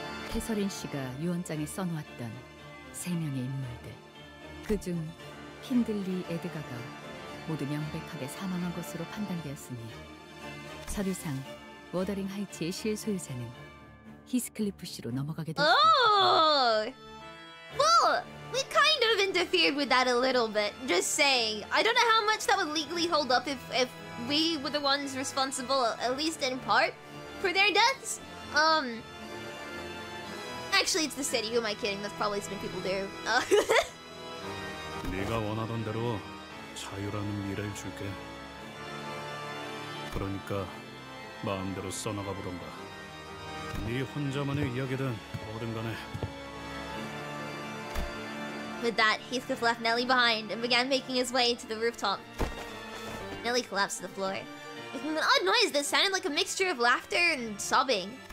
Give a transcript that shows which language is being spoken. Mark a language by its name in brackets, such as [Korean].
[Korean] 캐서린 씨가 유언장에 써놓았던 세 명의 인물들. 그중 힌들리 에드가가 모두 명백하게 사망한 것으로 판단되었으니 서류상 워더링 하이츠의 실소유자는 히스클리프 씨로 넘어가게 됐습니다. [English] We kind of interfered with that a little bit. Just saying. I don't know how much that would legally hold up if we were the ones responsible, at least in part, for their deaths. Actually, it's the city. Who am I kidding? That's probably something people do. [Korean] 네가 원하던 대로 자유라는 미래를 줄게. 그러니까 마음대로 써나가 보던가. 네 혼자만의 이야기든 뭐든 간에. [English] With that, Heathcliff left Nelly behind and began making his way to the rooftop. Nelly collapsed to the floor, making an odd noise that sounded like a mixture of laughter and sobbing.